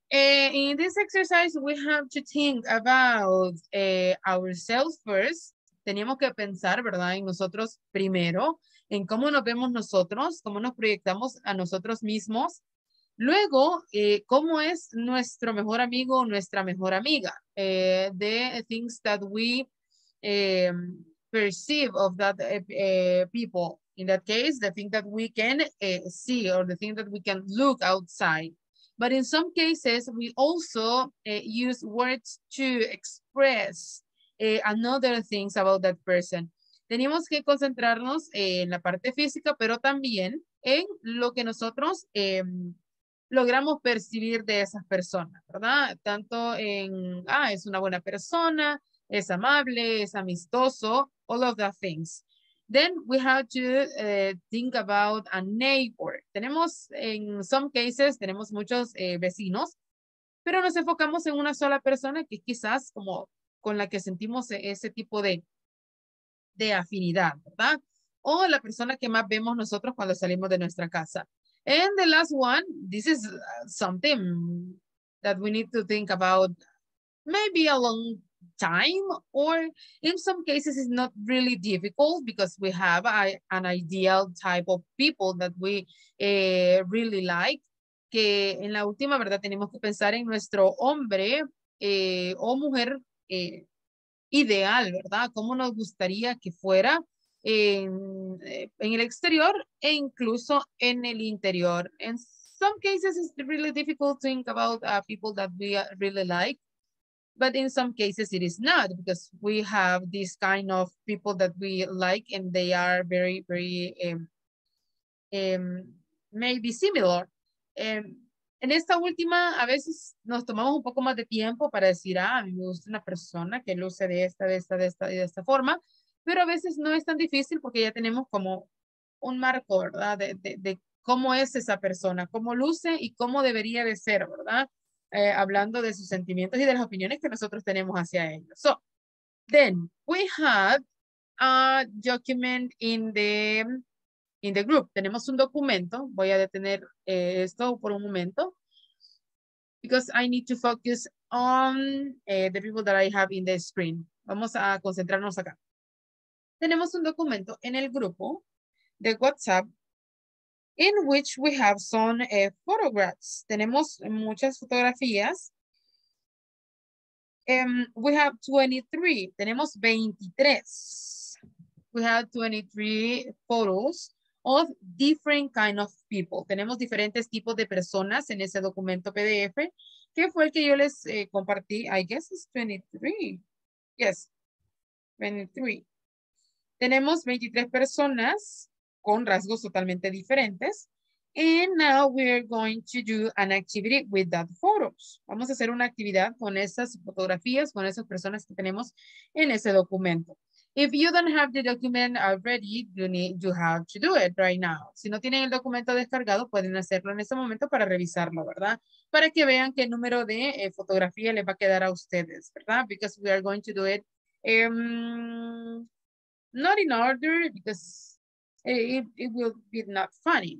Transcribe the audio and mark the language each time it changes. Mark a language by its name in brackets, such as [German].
[English] In this exercise, we have to think about ourselves first. [Spanish] Teníamos que pensar, ¿verdad?, en nosotros primero, en cómo nos vemos nosotros, cómo nos proyectamos a nosotros mismos. Luego, cómo es nuestro mejor amigo o nuestra mejor amiga. [English] The things that we perceive of that people. In that case, the thing that we can see or the thing that we can look outside. But in some cases, we also use words to express another things about that person. [Spanish] Tenemos que concentrarnos en la parte física, pero también en lo que nosotros logramos percibir de esas personas, ¿verdad? Tanto en, es una buena persona, es amable, es amistoso, [English] all of that things. Then we have to think about a neighbor. [Spanish] Tenemos, [English] in some cases, [Spanish] tenemos muchos vecinos, pero nos enfocamos en una sola persona que quizás como con la que sentimos ese tipo de afinidad, ¿verdad? O la persona que más vemos nosotros cuando salimos de nuestra casa. [English] And the last one, this is something that we need to think about maybe a long time, or in some cases it's not really difficult because we have an ideal type of people that we really like. [Spanish] Que en la última, verdad, tenemos que pensar en nuestro hombre o mujer ideal, verdad, como nos gustaría que fuera en el exterior e incluso en el interior. [English] In some cases it's really difficult to think about people that we really like. But in some cases it is not, because we have this kind of people that we like and they are very, very, maybe similar. [Spanish] En esta última, a veces nos tomamos un poco más de tiempo para decir, a mí me gusta una persona que luce de esta, de esta, de esta y de esta forma, pero a veces no es tan difícil porque ya tenemos como un marco, ¿verdad? De cómo es esa persona, cómo luce y cómo debería de ser, ¿verdad? Hablando de sus sentimientos y de las opiniones que nosotros tenemos hacia ellos. [English] So, then we have a document in the group. [Spanish] Tenemos un documento. Voy a detener esto por un momento. [English] Because I need to focus on the people that I have in the screen. [Spanish] Vamos a concentrarnos acá. Tenemos un documento en el grupo de WhatsApp [English] in which we have some photographs. [Spanish] Tenemos muchas fotografías. [English] We have 23. [Spanish] Tenemos 23. [English] We have 23 photos of different kind of people. [Spanish] Tenemos diferentes tipos de personas en ese documento PDF, que fue el que yo les compartí. [English] I guess it's 23. Yes, 23. [Spanish] Tenemos 23 personas con rasgos totalmente diferentes. [English] And now we're going to do an activity with that photos. [Spanish] Vamos a hacer una actividad con esas fotografías, con esas personas que tenemos en ese documento. [English] If you don't have the document already, you have to do it right now. [Spanish] Si no tienen el documento descargado, pueden hacerlo en este momento para revisarlo, ¿verdad? Para que vean qué número de fotografía les va a quedar a ustedes, ¿verdad? [English] Because we are going to do it not in order, because it will be not funny.